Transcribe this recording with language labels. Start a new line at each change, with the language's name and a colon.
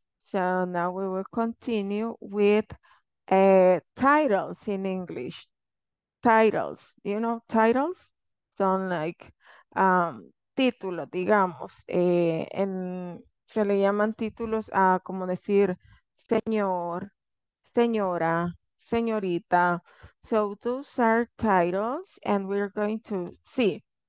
English: So now we will continue with titles in English. Titles, you know, titles?
Spanish: Son like títulos, digamos, se le llaman títulos a como decir señor, señora, señorita.
English: So those are titles and we're going to see.